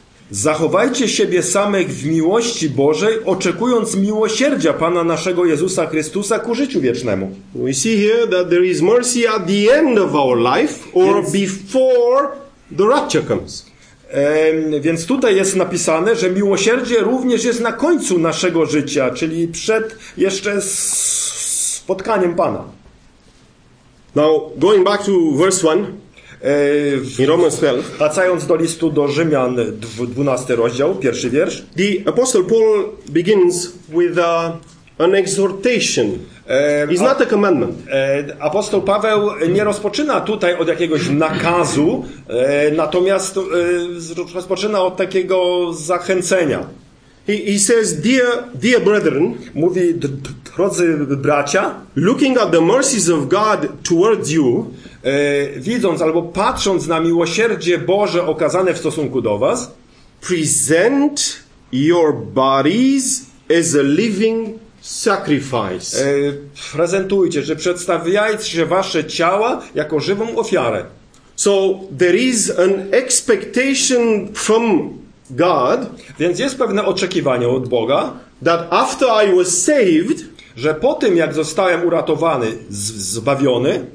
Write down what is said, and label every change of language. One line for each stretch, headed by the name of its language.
Polish: Zachowajcie siebie samych w miłości Bożej, oczekując miłosierdzia Pana naszego Jezusa Chrystusa ku życiu wiecznemu.
English: We see here that there is mercy at the end of our life or
Polish: więc,
English: before the rapture comes.
Polish: Więc tutaj jest napisane, że miłosierdzie również jest na końcu naszego życia, czyli przed jeszcze spotkaniem Pana.
English: Now, going back to verse 1. In Romans 12.
Polish: Wracając do listu do Rzymian, 12 rozdział, pierwszy wiersz.
English: The Apostle Paul begins with an exhortation. It's not a commandment.
Polish: Apostoł Paweł nie rozpoczyna tutaj od jakiegoś nakazu, natomiast rozpoczyna od takiego zachęcenia.
English: He says, dear brethren,
Polish: mówi, drodzy bracia,
English: looking at the mercies of God towards you,
Polish: widząc albo patrząc na miłosierdzie Boże okazane w stosunku do was,
English: present your bodies as a living sacrifice.
Polish: Prezentujcie, że przedstawiajcie wasze ciała jako żywą ofiarę.
English: So there is an expectation from God,
Polish: więc jest pewne oczekiwanie od Boga,
English: that after I was saved,
Polish: że po tym jak zostałem uratowany, zbawiony,